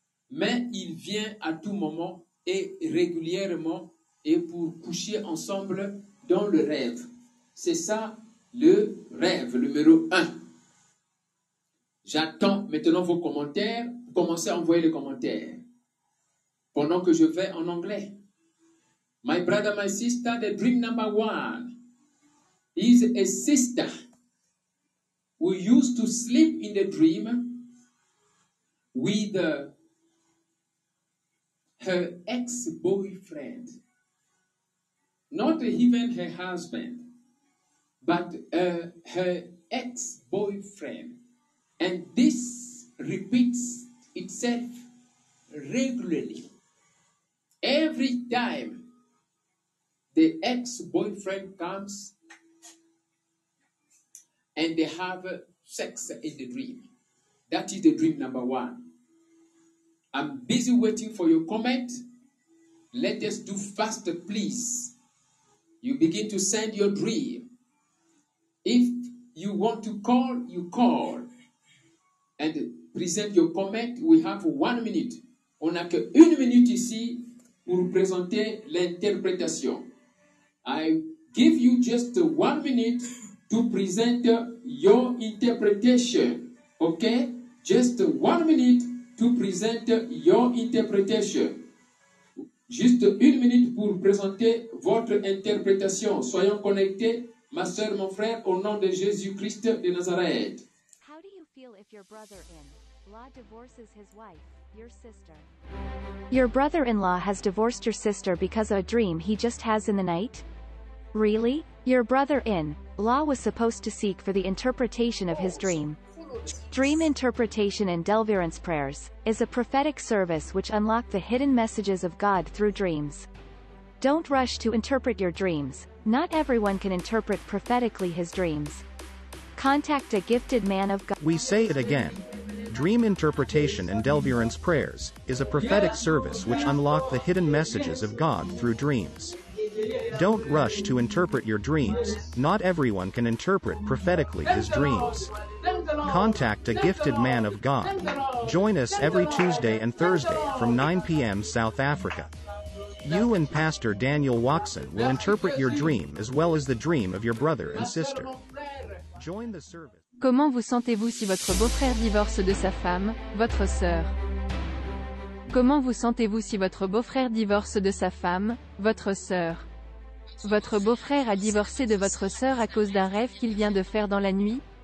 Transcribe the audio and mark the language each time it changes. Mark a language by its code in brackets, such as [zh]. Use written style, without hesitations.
[fr] Mais il vient à tout moment et régulièrement et pour coucher ensemble dans le rêve. C'est ça le rêve numéro un. J'attends maintenant vos commentaires. Commencez à envoyer les commentaires pendant que je vais en anglais. [en] My brother, my sister, the dream number one is a sister who used to sleep in the dream with her ex-boyfriend. Not even her husband, but her ex-boyfriend. And this repeats itself regularly. Every time the ex-boyfriend comes and they have sex in the dream. That is the dream number one. I'm busy waiting for your comment. Let us do faster, please. You begin to send your dream. If you want to call, you call and present your comment. We have 1 minute. [fr] On n'a que une minute ici pour présenter l'interprétation. [en] I give you just 1 minute to present your interpretation. Okay? Just 1 minute to present your interpretation. [fr] Juste une minute pour présenter votre interprétation. Soyons connectés, ma sœur, mon frère, au nom de Jésus-Christ de Nazareth. [en] How do you feel if your brother-in-law divorces his wife, your sister? Your brother-in-law has divorced your sister because of a dream he just has in the night? Really? Your brother-in-law was supposed to seek for the interpretation of his dream. Dream interpretation and Delverance prayers is a prophetic service which unlock the hidden messages of God through dreams. Don't rush to interpret your dreams. Not everyone can interpret prophetically his dreams. Contact a gifted man of God. We say it again. Dream interpretation and Delverance prayers is a prophetic service which unlock the hidden messages of God through dreams. Don't rush to interpret your dreams. Not everyone can interpret prophetically his dreams. Contact a gifted man of God. Join us every Tuesday and Thursday from 9 p.m. South Africa. You and Pastor Daniel Watson will interpret your dream as well as the dream of your brother and sister. Join the service. [fr] Comment vous sentez-vous si votre beau-frère divorce de sa femme, votre sœur? Comment vous sentez-vous si votre beau-frère divorce de sa femme, votre sœur? Votre beau-frère a divorcé de votre sœur à cause d'un rêve qu'il vient de faire dans la nuit?